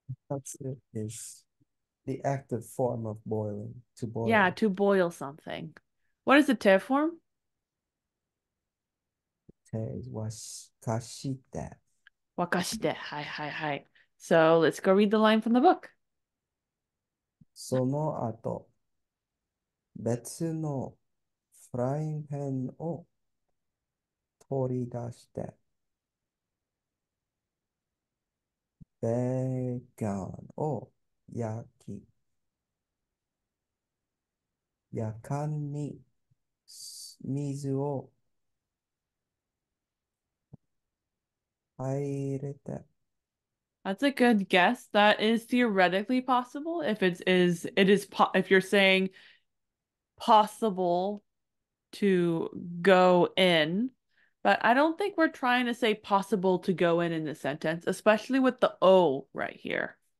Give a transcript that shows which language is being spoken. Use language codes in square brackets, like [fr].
[en] Betsu is the active form of boiling, to Yeah, boil. to boil something. What is the te form? Is was kashite. Wakashite. Hi. So let's go read the line from the book. [ja] その後、別のフライパンを取り出して、ベーコンを焼き、やかんに水を入れて、 [en] That's a good guess. That is theoretically possible if if you're saying possible to go in, but I don't think we're trying to say possible to go in the sentence, especially with the O right here.